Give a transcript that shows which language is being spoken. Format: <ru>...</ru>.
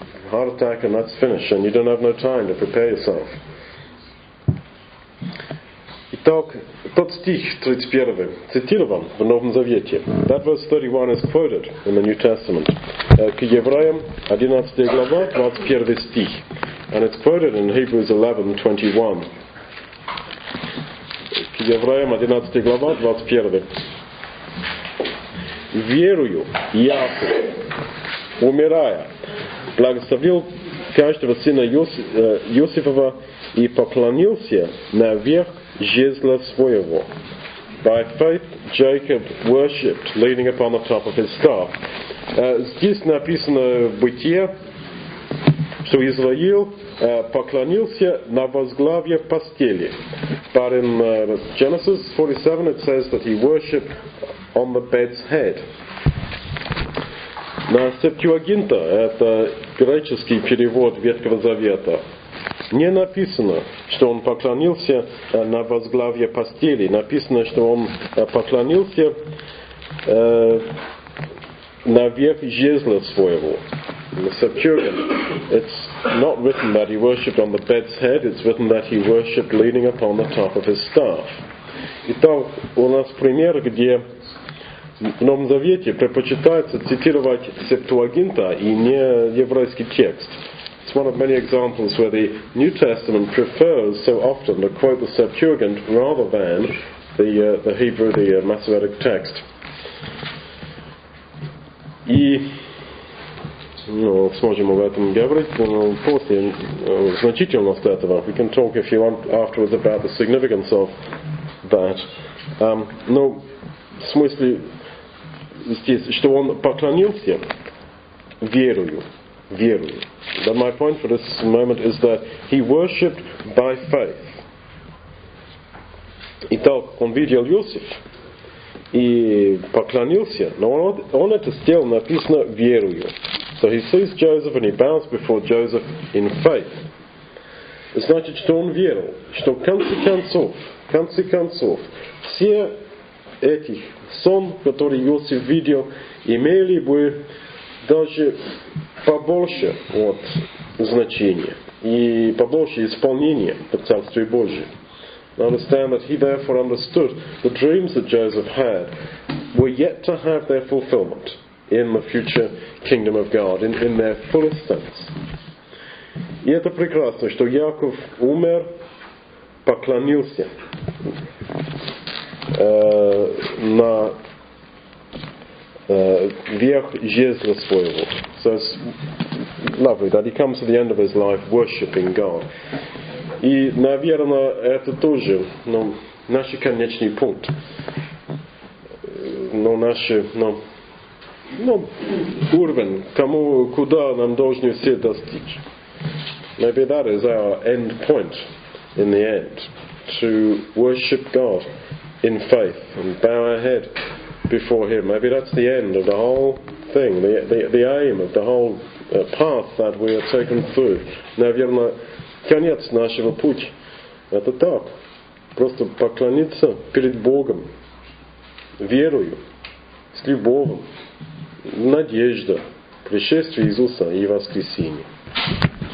<en>Heart attack and that's finished. And you don't have no time to prepare yourself.</en> <ru>Итак, тот стих 31 цитирован в Новом Завете.</ru> <en>That verse 31 is quoted in the New Testament.</en> <ru>К евреям 11 глава, 21 стих.</ru> <en>And it's quoted in Hebrews 11:21.</en> <ru>К евреям 11 глава, 21. Верую Иаков, умирая, благословил каждого сына Иосифова и поклонился наверх жезла своего.</ru> <en>By faith, Jacob worshipped, leaning upon the top of his staff.</en> <ru>Здесь написано в Бытие, что Израил поклонился на возглавье постели.</ru> <en>But in Genesis 47, it says that he worshipped on the bed's head.</en> <ru>На Септуагинта, это греческий перевод Ветхого Завета, не написано, что он поклонился на возглавье постели. Написано, что он поклонился наверх жезла своего.</ru> <en>In the Septuagint, it's not written that he worshipped on the bed's head. It's written that he worshipped leaning upon the top of his staff.</en> <ru>Итак, у нас пример, где в Новом Завете предпочитается цитировать Септуагинта и не еврейский текст.</ru> <en>It's one of many examples where the New Testament prefers so often to quote the Septuagint rather than the Hebrew, the Masoretic text.</en> <ru>И, ну, сможем об этом говорить, но после значительность этого.</ru> <en>We can talk if you want afterwards about the significance of that.</en> <ru>Но в смысле здесь, что он поклонился верою. Верую.</ru> <en>But my point for this moment is that he worshipped by faith.</en> <ru>Итак, он видел Иосиф и поклонился, но он это сделал, написано верую.</ru> <en>So he sees Joseph and he bows before Joseph in faith.</en> <ru>Значит, что он верил, что в конце концов, все эти сон, которые Иосиф видел, имели бы даже побольше вот значения и побольше исполнения в Царстве Божьем.</ru> <en>Understand that he therefore understood the dreams that Joseph had were yet to have their fulfillment in the future kingdom of God, in their fullest sense.</en> <ru>И это прекрасно, что Яков умер, поклонился на верх жезла своего.</ru> <en>So it's lovely that he comes to the end of his life worshipping God.</en> <ru>И, наверное, это тоже, ну, наш конечный пункт. Но наши, ну, уровень, кому, куда нам должны все достичь.</ru> <en>Maybe that is our end point in the end. To worship God in faith and bow our head before him. Maybe that's the end of the whole thing, the aim of the whole path that we are taken through.</en> <ru>Наверное, конец нашего пути. Это так. Просто поклониться перед Богом. Верою. С любовью. Надежда. Пришествие Иисуса и воскресение.</ru>